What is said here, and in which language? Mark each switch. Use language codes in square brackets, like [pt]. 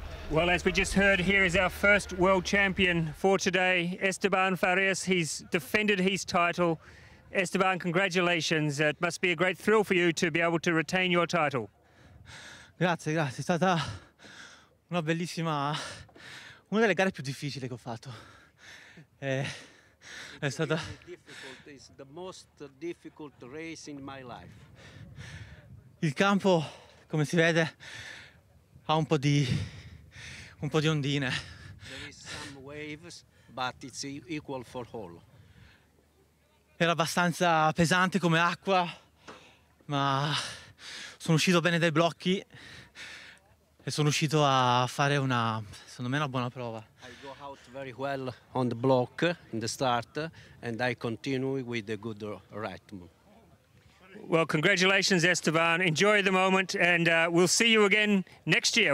[en] Well, as we just heard, here is our first world champion for today, Esteban Farias. He's defended his title. Esteban, congratulations. It must be a great thrill for you to be able to retain your title. [it] Grazie, grazie. È stata una bellissima... una delle gare più difficili che ho fatto. È stata... [en] It's the most difficult race in my life. [it] Il campo, come si vede, ha un po' di... un po' di ondine. [en] There is some waves, but it's equal for all. [it] Era abbastanza pesante come acqua, ma sono uscito bene dai blocchi. e sono uscito a fare una, secondo me, una buona prova. [en] I go out very well on the block in the start and I continue with a good rhythm. Well, congratulations Esteban, enjoy the moment and we'll see you again next year.